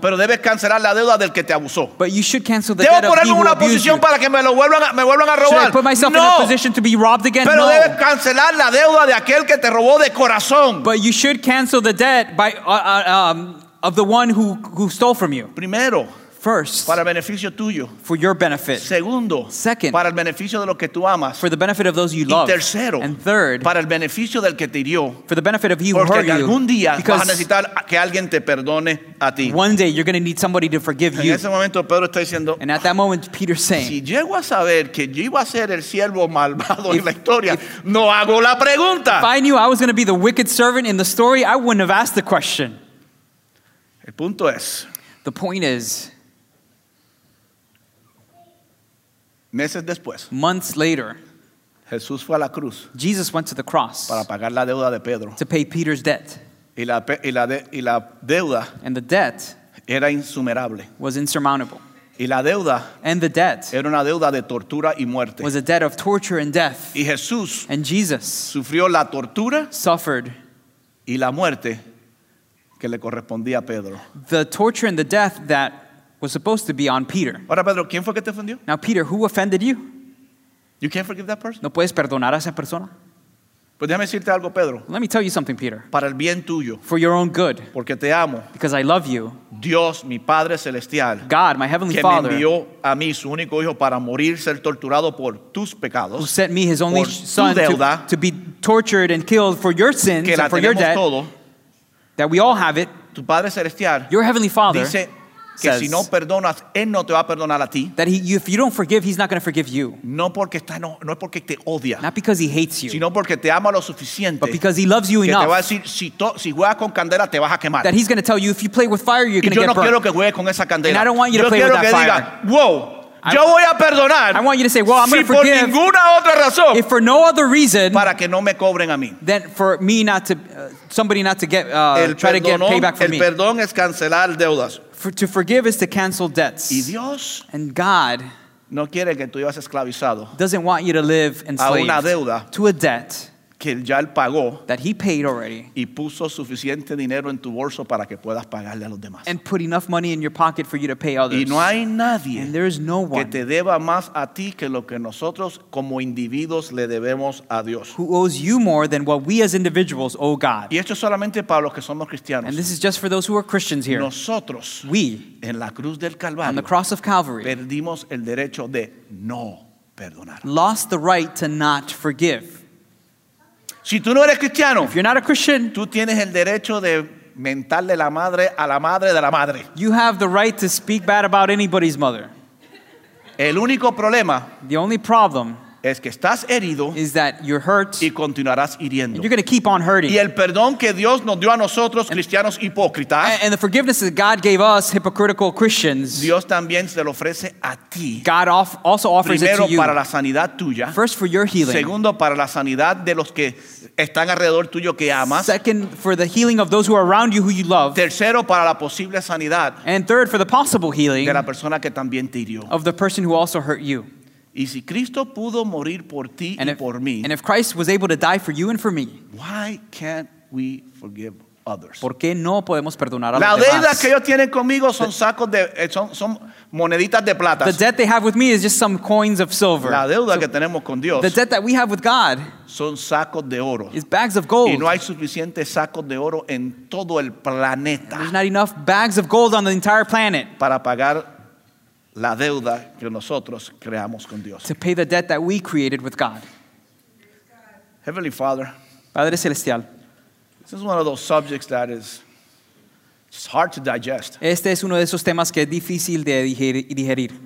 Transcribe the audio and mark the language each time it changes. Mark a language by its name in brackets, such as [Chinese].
[Spanish] Pero debes cancelar la deuda del que te abusó. [English] But you should cancel the [Spanish] debo [English] debt of [Spanish] ponerme una posición para que me vuelvan a robar. [English] Should I put myself [Spanish] no. [English] in a position to be robbed again? [Spanish] Pero no. Debes cancelar la deuda de aquel que te robó de corazón. [English] But you should cancel the debt by of the one who stole from you. [Spanish] Primero. [English] First, [Spanish] para el beneficio tuyo. [English] For your benefit. [Spanish] Segundo, [English] second, [Spanish] para el beneficio de lo que tú amas. [English] For the benefit of those you love. [Spanish] Y tercero, [English] and third, [Spanish] para el beneficio del que te hirió. [English] For the benefit of he who [Spanish] porque [English] hurt [Spanish] algún [English] you. [Spanish] Día vas a necesitar que alguien te perdone a ti. [English] One day you're going to need somebody to forgive you. [Spanish] En ese momento Pedro está diciendo, [English] and at that moment Peter's saying, [Spanish] si llego a saber que yo iba a ser el siervo malvado en la historia, no hago la pregunta. [English] If I knew I was going to be the wicked servant in the story, I wouldn't have asked the question. [Spanish] El punto es, [English] the point is, [Spanish] meses después, [English] months later, [Spanish] Jesús fue a la cruz. [English] Jesus went to the cross [Spanish] para pagar la deuda de Pedro. [English] To pay Peter's debt. [Spanish] Y la deuda [English] and the debt [Spanish] era insuperable. [English] Was insurmountable. [Spanish] Y la deuda [English] and the debt [Spanish] era una deuda de tortura y muerte. [English] Was a debt of torture and death. [Spanish] Y Jesús [English] and Jesus [Spanish] sufrió la tortura [English] suffered [Spanish] y la muerte que le correspondía a Pedro. [English] The torture and the death that was supposed to be on Peter. [Spanish] Ahora Pedro, ¿quién fue que te ofendió? [English] Now Peter, who offended you? You can't forgive that person? [Spanish] ¿No puedes perdonar a esa persona? Pues déjame decirte algo, Pedro. [English] Let me tell you something, Peter. [Spanish] Para el bien tuyo. [English] For your own good. [Spanish] Porque te amo. [English] Because I love you. [Spanish] Dios, mi Padre Celestial. [English] God, my Heavenly Father. [Spanish] Que me envió a mí su único hijo para morir, ser torturado por tus pecados. [English] Who sent me his only son to be tortured and killed for your sins [Spanish] que [English] and for your debt. [Spanish] Todo, [English] that we all have it. [Spanish] Tu Padre Celestial. [English] Your Heavenly Father. [Spanish] Dice, que si no perdonas, él no te va a perdonar a ti. [English] That he, if you don't forgive, he's not going to forgive you. [Spanish] No porque está, no es porque te odia. [English] Not because he hates you. [Spanish] Sino porque te ama lo suficiente. [English] But because he loves you [Spanish] que [English] enough. [Spanish] Que te va a decir, si juegas con candela, te vas a quemar. [English] That he's going to tell you, if you play with fire, you're going to [Spanish] no [English] get burned. [Spanish] Y yo no quiero que juegues con esa candela. [English] And I don't want you [Spanish] yo [English] to play with that [Spanish] que [English] fire. [Spanish] Diga, whoa, Yo voy a perdonar. [English] I want you to say, well, I'm going to forgive. [Spanish] Si por ninguna otra razón. [English] If for no other reason. [Spanish] Para que no me cobren a mí. [English] Then for me not to, somebody not to get, try to get payback for [Spanish] el [English] me. [Spanish] El perdón es cancelar deudas. [English] To forgive is to cancel debts. [Spanish] Y Dios. [English] And God. [Spanish] No quiere que tú vivas esclavizado. [English] Doesn't want you to live enslaved. [Spanish] A una deuda. [English] To a debt. [Spanish] Que ya él pagó. [English] That he paid already. [Spanish] Y puso suficiente dinero en tu bolso para que puedas pagarle a los demás. [English] And put enough money in your pocket for you to pay others. [Spanish] Y no hay nadie. [English] And there is no one. [Spanish] Que te deba más a ti que lo que nosotros como individuos le debemos a Dios. [English] Who owes you more than what we as individuals owe God. [Spanish] Y esto es solamente para los que somos cristianos. [English] And this is just for those who are Christians here. [Spanish] Nosotros. [English] We. [Spanish] En la cruz del Calvario. [English] On the cross of Calvary. [Spanish] Perdimos el derecho de no perdonar. [English] Lost the right to not forgive. [Spanish] Si tú no eres cristiano, [English] if you're not a Christian, [Spanish] tú tienes el derecho de mentarle la madre a la madre de la madre. [English] You have the right to speak bad about anybody's mother. [Spanish] El único problema, [English] the only problem, [Spanish] es que estás herido, [English] is that you're hurt, [Spanish] y continuarás hiriendo. [English] You're going to keep on hurting. [Spanish] Y el perdón que Dios nos dio a nosotros, cristianos hipócritas, [English] and the forgiveness that God gave us, hypocritical Christians, [Spanish] Dios también se lo ofrece a ti. [English] God also offers [Spanish] primero, [English] it to you. [Spanish] Primero para la sanidad tuya. [English] First for your healing. [Spanish] Segundo para la sanidad de los que están alrededor tuyo que amas. [English] Second for the healing of those who are around you who you love. [Spanish] Tercero para la posible sanidad. [English] And third for the possible healing [Spanish] de la persona que también te hirió. [English] Of the person who also hurt you. [Spanish] Y si Cristo pudo morir por ti [English] and if, [Spanish] y por mí, [English] and if Christ was able to die for you and for me, why can't we forgive others? [Spanish] ¿Por qué no podemos perdonar a la los deuda demás? Que ellos tienen conmigo son sacos de son moneditas de plata. [English] The debt they have with me is just some coins of silver. [Spanish] La deuda so, que tenemos con Dios, [English] the debt that we have with God, [Spanish] son sacos de oro. [English] Is bags of gold. [Spanish] Y no hay suficientes sacos de oro en todo el planeta. [English] And there's not enough bags of gold on the entire planet [Spanish] para pagar la deuda que nosotros creamos con Dios. [English] To pay the debt that we created with God. Heavenly Father. [Spanish] Padre Celestial. [English] This is one of those subjects that is it's hard to digest. [Spanish] Este es uno de esos temas que es difícil de digerir.